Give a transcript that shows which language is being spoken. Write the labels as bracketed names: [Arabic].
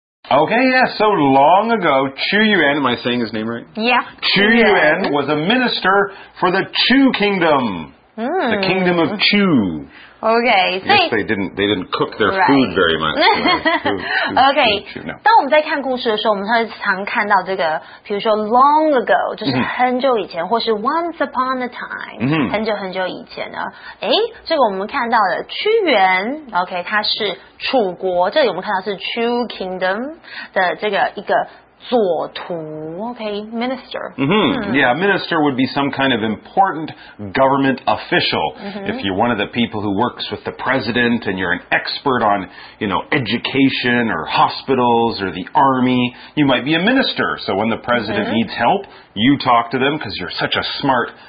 [English] Okay, yeah, so long ago, Chu Yuan, am I saying his name right? Yeah. Chu Yuan was a minister for the Chu Kingdom. The kingdom of Chu. Okay, so they didn't cook their food very much. [Chinese] Okay, 当我们在看故事的时候，我们常看到这个，比如说 [English] long ago [Chinese] 就是很久以前，或是 [English] once upon a time [Chinese] 很久很久以前呢。这个我们看到的屈原 ，OK， 他是楚国，这里我们看到是 Chu Kingdom 的这个一个。左徒 okay, minister. [English] Yeah, minister would be some kind of important government official. If you're one of the people who works with the president and you're an expert on, you know, education or hospitals or the army, you might be a minister. So when the president needs help, you talk to them because you're such a smart